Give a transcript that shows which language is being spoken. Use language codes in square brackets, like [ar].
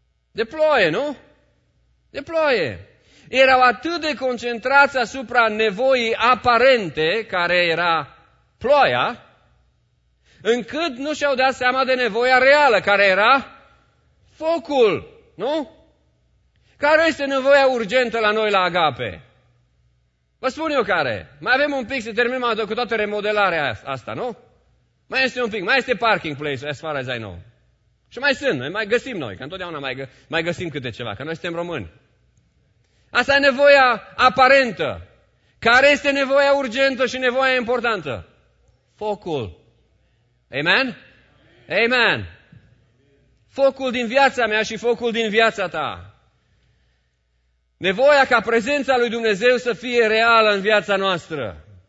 [ro] De ploaie, nu? De ploaie. Erau atât de concentrați asupra nevoii aparente, care era ploaia, încât nu și-au dat seama de nevoia reală, care era focul, nu? Care este nevoia urgentă la noi la Agape? Vă spun eu care. Mai avem un pic să terminăm cu toată remodelarea asta, nu? Mai este un pic. Mai este [en] parking place, as far as I know. [ro] Și mai sunt. Mai găsim noi. Că întotdeauna mai găsim câte ceva. Că noi suntem români. Asta e nevoia aparentă. Care este nevoia urgentă și nevoia importantă? Focul. Amen? Amen. Focul din viața mea și focul din viața ta. Nevoia ca prezența lui Dumnezeu să fie reală în viața noastră.